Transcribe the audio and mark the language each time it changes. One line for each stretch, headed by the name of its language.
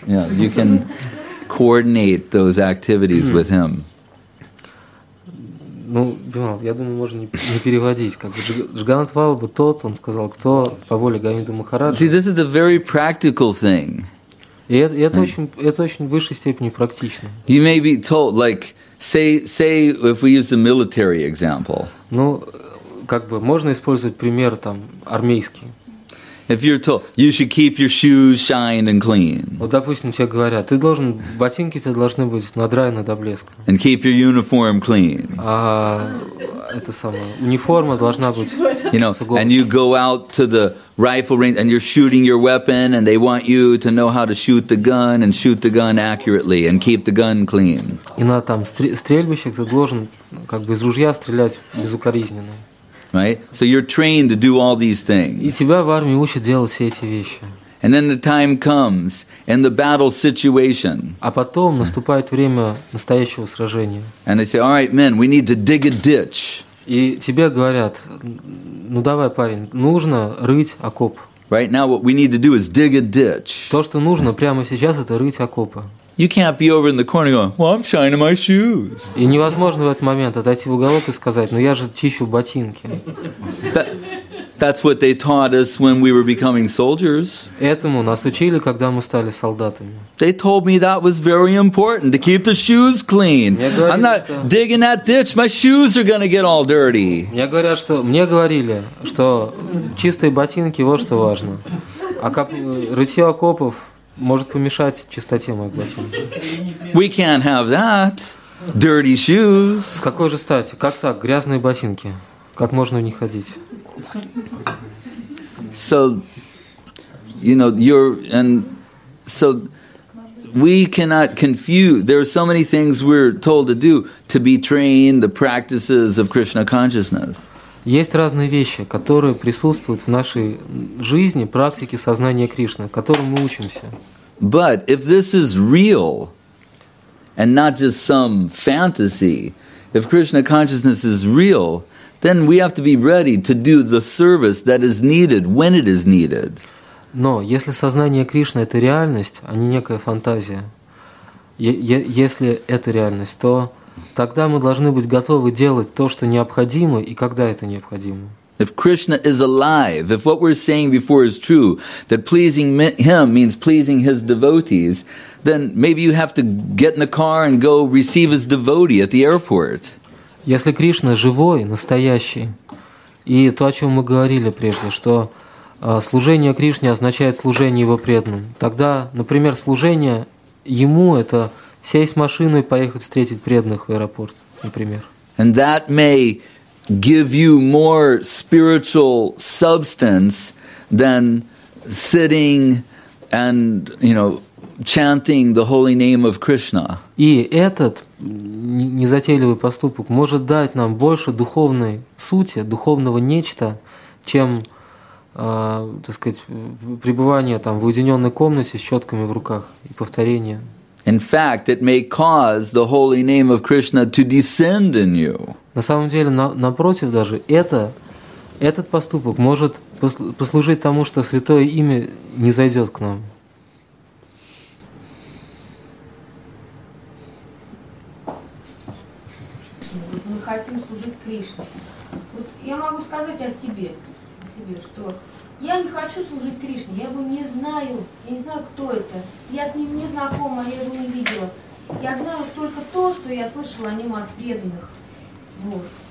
English: Yeah, you can coordinate those activities with him.
Russian: Ну, я думаю, можно не переводить. Как бы Джаганнат Валлабха тот, он сказал, кто по воле Говинды Махараджа.
English: See, this is a very practical thing.
Russian: И это очень в высшей степени практично.
English: You may be told, like, say, if we use a military example.
Russian: Ну, как бы можно использовать пример там армейский.
English: If you're told, you should keep your shoes shined and clean.
Russian: Вот, допустим, тебе говорят, ты должен, ботинки тебе должны быть надраены до блеска.
English: And keep your uniform clean.
Russian: А это самое, униформа должна быть,
English: you know,
Russian: с иголкой.
English: And you go out to the rifle range and you're shooting your weapon and they want you to know how to shoot the gun and shoot the gun accurately and keep the gun clean.
Russian: И на там стрельбище ты должен как бы из ружья стрелять безукоризненно.
English: Right? So you're trained to do all these things.
Russian: И тебя в армии учат делать все эти вещи.
English: And then the time comes in the battle situation.
Russian: А потом наступает время настоящего сражения.
English: And they say, "All right, men, we need to dig a ditch."
Russian: И тебе говорят: "Ну давай, парень, нужно рыть окоп."
English: Right now what we need to do is dig a ditch.
Russian: То, что нужно прямо сейчас, это рыть окопы.
English: You can't be over in the corner going, "Well, I'm shining my shoes."
Russian: И невозможно в этот момент отойти в уголок и сказать: "Ну я же чищу ботинки."
English: That's what they taught us when we were becoming soldiers.
Russian: Этому нас учили, когда мы стали солдатами.
English: They told me that was very important to keep the shoes clean. I'm not digging that ditch; my shoes are going to get all dirty.
Russian: Мне говорили, что чистые ботинки вот что важно, а рытье окопов может помешать чистоте моих ботинок.
English: We can't have that. Dirty shoes.
Russian: С какой же стати? Как так? Грязные ботинки. Как можно в них ходить?
English: So, you know, we cannot confuse. There are so many things we're told to do to be trained the practices of Krishna consciousness.
Russian: Есть разные вещи, которые присутствуют в нашей жизни, практике сознания Кришны, которым мы учимся.
English: But if this is real and not just some fantasy, if Krishna consciousness is real, then we have to be ready to do the service that is needed when it is needed.
Russian: Но если сознание Кришны – это реальность, а не некая фантазия, если это реальность, то тогда мы должны быть готовы делать то, что необходимо, и когда это необходимо.
English: If Krishna is alive, if what we're saying before is true, that pleasing him means pleasing his devotees, then maybe you have to get in the car and go receive his devotee at the airport.
Russian: Если Кришна живой, настоящий, и то, о чем мы говорили прежде, что служение Кришне означает служение его преданным, тогда, например, служение ему – это сесть в машину и поехать встретить преданных в аэропорт, например.
English: And that may give you more spiritual substance than sitting and, you know, chanting the holy name of Krishna.
Russian: И этот незатейливый поступок может дать нам больше духовной сути, духовного нечто, чем, так сказать, пребывание там в уединенной комнате с четками в руках и повторение.
English: In fact, it may cause the holy name of Krishna to descend in you.
Russian: На самом деле, напротив, даже этот поступок может послужить тому, что святое имя не зайдет к нам. Мы хотим служить Кришне. Вот я могу сказать о себе, что я не хочу служить Кришне, я его не знаю, я не знаю, кто это, я с ним не знакома, я его не видела. Я знаю только то, что я слышала о нем от преданных. Вот.